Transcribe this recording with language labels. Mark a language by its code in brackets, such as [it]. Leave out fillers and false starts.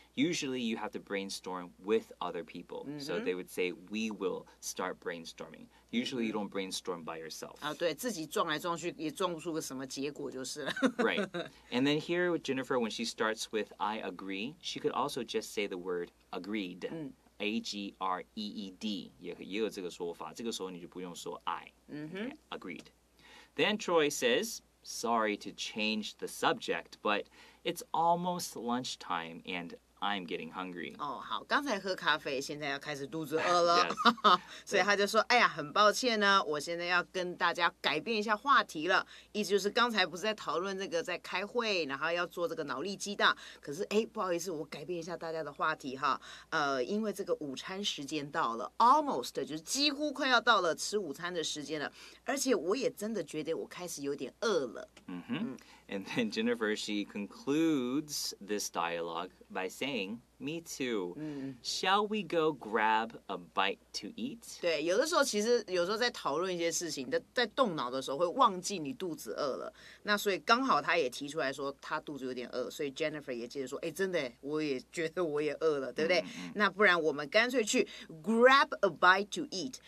[en] Usually you have to brainstorm with other people, so they would say we will start brainstorming. Usually you don't brainstorm by yourself. [zh] 啊，对，自己撞来撞去也撞不出个什么结果就是了。 [en] Right. And then here with Jennifer, when she starts with I agree, she could also just say the word agreed. [zh] A-G-R-E-E-D 也有这个说法，这个时候你就不用说 [en] I. Agreed. Then Troy says, sorry to change the subject, but it's almost lunchtime and I'm getting hungry. [zh] 好，刚才喝咖啡，现在要开始肚子饿了。所以他就说，哎呀，很抱歉呢，我现在要跟大家改变一下话题了。意思就是刚才不是在讨论这个在开会，然后要做这个脑力激荡。可是不好意思，我改变一下大家的话题哈。因为这个午餐时间到了 ，almost 就是几乎快要到了吃午餐的时间了。而且我也真的觉得我开始有点饿了。 [en] And then Jennifer, she concludes this dialogue by saying, me too. Shall we go grab a bite to eat? [zh] 对，有的时候其实有时候在讨论一些事情，在动脑的时候会忘记你肚子饿了。那所以刚好他也提出来说他肚子有点饿，所以 Jennifer 也接着说，真的，我也觉得我也饿了，对不对？那不然我们干脆去 [en] grab a bite to eat。